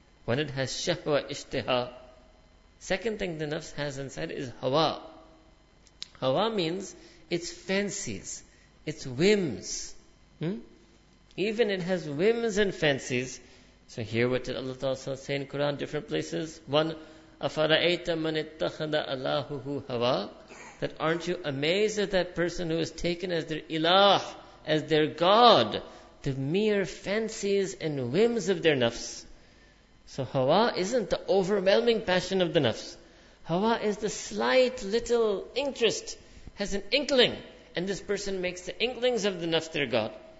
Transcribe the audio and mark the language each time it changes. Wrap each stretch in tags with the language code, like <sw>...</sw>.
<en>When it has shahwa, ishtiha. Second thing the nafs has inside is hawa. Hawa means its fancies, its whims. Even it has whims and fancies. So here what did Allah Ta'ala say in Quran, different places?</en> <ar>One, أَفَرَأَيْتَ مَنِ اتَّخَذَ أَلَاهُهُ هَوَى.</ar> <en>That aren't you amazed at that person who is taken as their ilah, as their god, the mere fancies and whims of their nafs. So hawa isn't the overwhelming passion of the nafs. Hawa is the slight little interest, has an inkling, and this person makes the inklings of the nafs their god.</en>